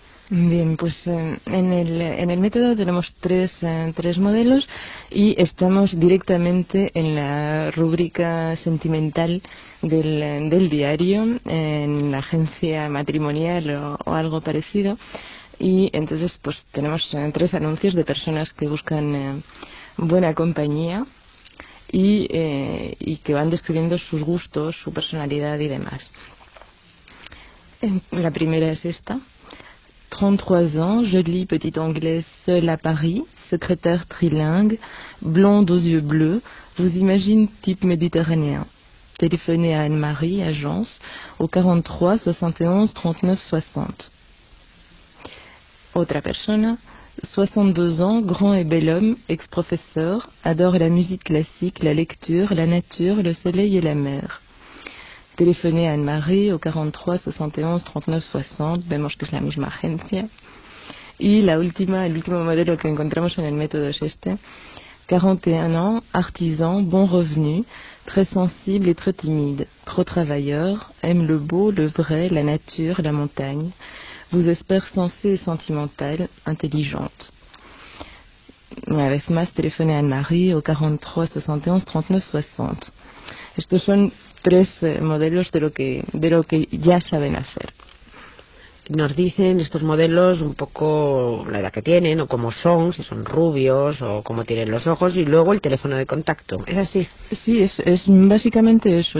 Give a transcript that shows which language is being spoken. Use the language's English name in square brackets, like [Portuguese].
[Spanish] Bien, pues en el método tenemos tres modelos, y estamos directamente en la rúbrica sentimental del diario, en la agencia matrimonial o algo parecido, y entonces pues tenemos tres anuncios de personas que buscan buena compañía y que van describiendo sus gustos, su personalidad y demás. La primera es esta. [French] 33 ans, jolie petite anglaise seule à Paris, secrétaire trilingue, blonde aux yeux bleus, vous imagine type méditerranéen. Téléphonez à Anne-Marie, agence, au 43 71 39 60. Autre personne, 62 ans, grand et bel homme, ex-professeur, adore la musique classique, la lecture, la nature, le soleil et la mer. Téléphoner à Anne-Marie au 43 71 39 60, [Spanish] vemos que es la misma agencia. Y el último modelo que encontramos en el método es este. [French] 41 ans, artisan, bon revenu, très sensible et très timide, trop travailleur, aime le beau, le vrai, la nature, la montagne, vous espère sensée et sentimentale, intelligente. [Spanish] Una vez más, [French] téléphoner à Anne-Marie au 43 71 39 60. [Spanish] Estos son tres modelos de lo que ya saben hacer. Nos dicen estos modelos un poco la edad que tienen o cómo son, si son rubios o cómo tienen los ojos, y luego el teléfono de contacto. ¿Es así? Sí, es básicamente eso.